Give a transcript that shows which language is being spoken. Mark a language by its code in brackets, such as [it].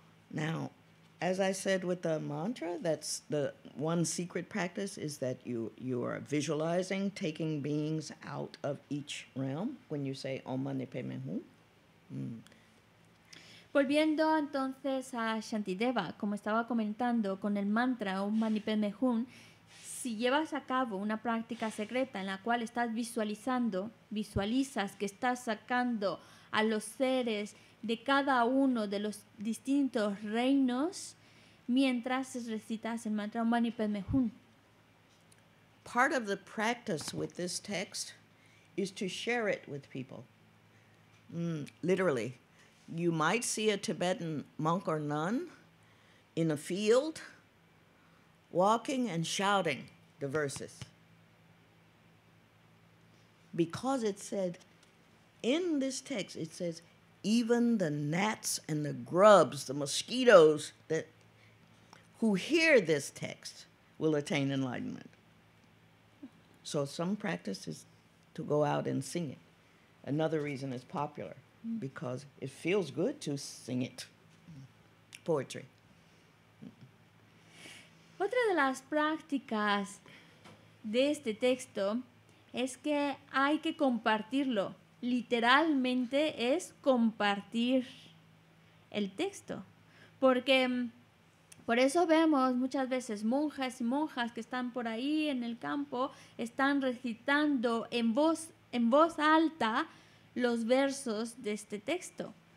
[en] Now, as I said with the mantra, that's the one secret practice is that you are visualizing, taking beings out of each realm when you say Om Mani Padme Hum. [es] Volviendo entonces a Shantideva, como estaba comentando, con el mantra Om Mani Padme Hum, si llevas a cabo una práctica secreta en la cual estás visualizas que estás sacando a los seres de cada uno de los distintos reinos mientras recitas el mantra Om Mani Padme Hum. [en] Part of the practice with this text is to share it with people. Literally, you might see a Tibetan monk or nun in a field walking and shouting the verses. Because it said, in this text, it says, even the gnats and the grubs, the mosquitoes, that who hear this text, will attain enlightenment. So some practice is to go out and sing it. Another reason it's popular, because it feels good to sing it, poetry. [es] Otra de las prácticas de este texto es que hay que compartirlo. Literalmente es compartir el texto. Porque por eso vemos muchas veces monjas y monjas que están por ahí en el campo, están recitando en voz alta los versos de este texto.